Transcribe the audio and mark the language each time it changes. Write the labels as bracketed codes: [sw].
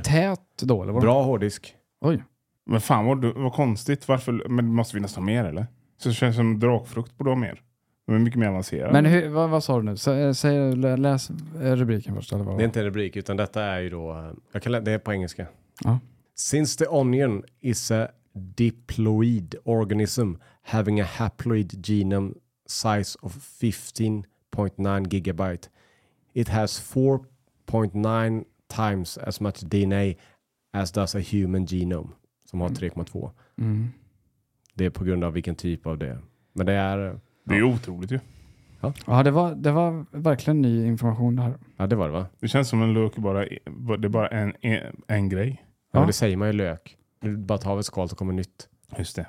[sv] tät då, eller vad? Bra hårddisk. Oj. Men fan, vad konstigt. Varför? Men måste vi nästan ha mer, eller? Så det känns som drakfrukt på dem mer. Men mycket mer avancerat. Men hur, vad sa du nu? Läs rubriken först. Eller vad? Det är inte en rubrik, utan detta är ju då... Det är på engelska. Ja. [en] Since the onion is a diploid organism having a haploid genome size of 15.9 gigabyte, it has 4.9 times as much DNA as does a human genome, [sv] som har 3,2. Mm. Det är på grund av vilken typ av det. Men det är... Det är otroligt ju. Ja, ja, det var verkligen ny information där. Ja, det var det, va? Det känns som en lök, bara, det är bara en grej. Ja, det säger man ju, lök. Du bara tar ett skal så kommer nytt. Just det.